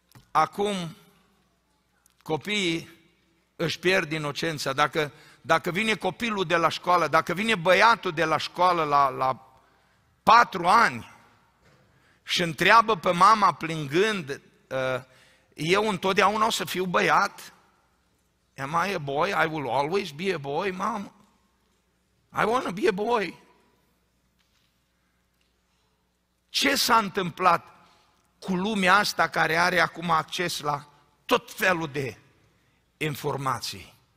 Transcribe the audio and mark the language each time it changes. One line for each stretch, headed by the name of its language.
Romanian: Acum copiii își pierd inocența. Dacă vine copilul de la școală, dacă vine băiatul de la școală la 4 ani și întreabă pe mama plângând, eu întotdeauna o să fiu băiat?
English: Am I a boy? I will always be a boy, mom. I want to be a boy.
Romanian: Ce s-a întâmplat cu lumea asta care are acum acces la tot felul de informații?